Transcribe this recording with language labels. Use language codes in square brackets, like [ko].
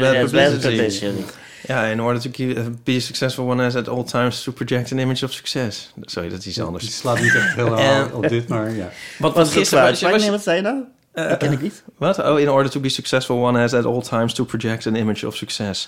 [en] publicity. Ja, in order to be successful, one has at all times to project an image of success. [nl] Sorry, dat is iets anders. Die slaat niet echt heel hard op dit, maar ja. Wat was gisteren? Wat zei je nou? Dat ken ik niet. Wat? [en] Oh, in order to be successful, one has at all times to project an image of success.